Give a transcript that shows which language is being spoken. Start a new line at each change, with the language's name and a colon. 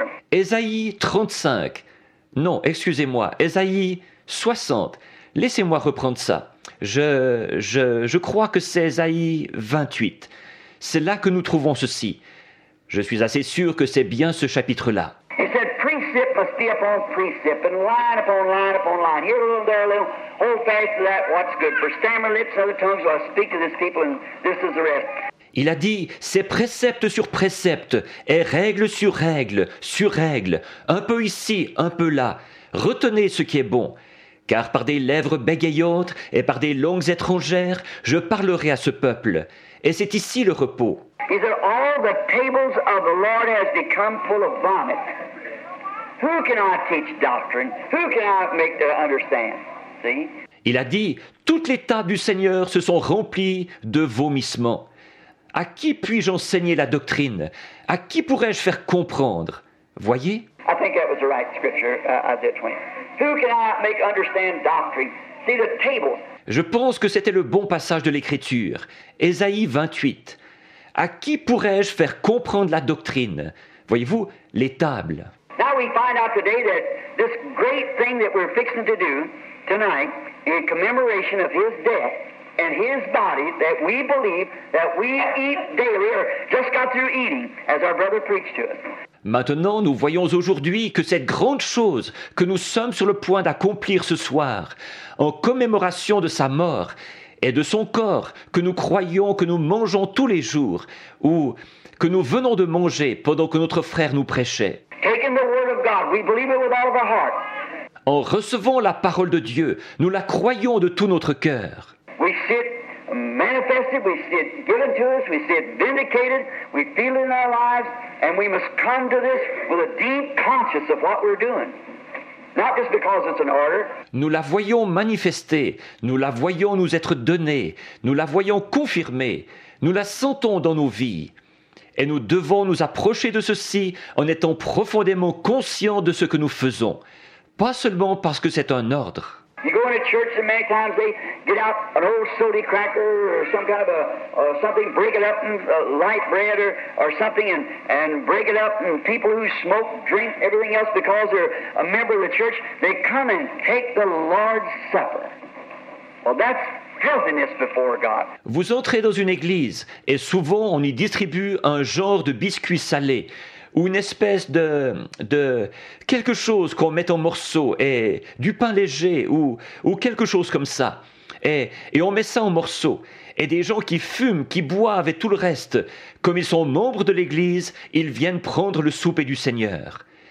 French: Ésaïe 35. Non, excusez-moi, Ésaïe 60. Laissez-moi reprendre ça. Je crois que c'est Ésaïe 28. C'est là que nous trouvons ceci. Je suis assez sûr que c'est bien ce chapitre-là. Il dit,
English: precept must be upon precept, and line upon line upon line. Here a little, there a little, hold fast to that, what's good. For stammer lips, other tongues, while I speak to this people, and this is the rest.
French: Il a dit, c'est précepte sur précepte, et règle sur règle, sur règle, un peu ici, un peu là. Retenez ce qui est bon, car par des lèvres bégayantes et par des langues étrangères, je parlerai à ce peuple. Et c'est ici le repos.
English: Is it all the tables of the Lord has become full of vomit? Who can I teach doctrine? Who can I make to understand? See?
French: Il a dit, toutes les tables du Seigneur se sont remplies de vomissements. À qui puis-je enseigner la doctrine? À qui pourrais-je faire comprendre? Voyez?
English: I think that was the right scripture, Isaiah 20. Who can I make understand doctrine? See the tables.
French: Je pense que c'était le bon passage de l'Écriture. Ésaïe 28. À qui pourrais-je faire comprendre la doctrine? Voyez-vous, les tables.
English: Now we find out today that this great thing that we're fixing to do tonight in commemoration of his death and his body that we believe that we eat daily or just got through eating as our brother preached to us.
French: Maintenant, nous voyons aujourd'hui que cette grande chose que nous sommes sur le point d'accomplir ce soir en commémoration de sa mort et de son corps que nous croyons que nous mangeons tous les jours ou que nous venons de manger pendant que notre frère nous prêchait.
English: Taking the word of God, we believe it with all of our heart.
French: En recevant la parole de Dieu, nous la croyons de tout notre cœur.
English: We see it manifested, we see it given to us, we see it vindicated, we feel it in our lives, and we must come to this with a deep conscience of what we're doing. Not just because it's an order.
French: Nous la voyons manifestée, nous la voyons nous être donnée, nous la voyons confirmée, nous la sentons dans nos vies. Et nous devons nous approcher de ceci en étant profondément conscients de ce que nous faisons. Pas seulement parce que c'est un ordre.
English: You go into church and many times they get out an old soda cracker or some kind of something, break it up in light bread or something and break it up and people who smoke, drink, everything else because they're a member of the church, they come and take the Lord's Supper. Well, that's filthiness before God.
French: Vous entrez dans une église et souvent on y distribue un genre de biscuit salé ou une espèce de quelque chose qu'on met en morceaux, et du pain léger ou quelque chose comme ça. Et on met ça en morceaux. Et des gens qui fument, qui boivent et tout le reste, comme ils sont membres de l'Église, ils viennent prendre le souper du Seigneur.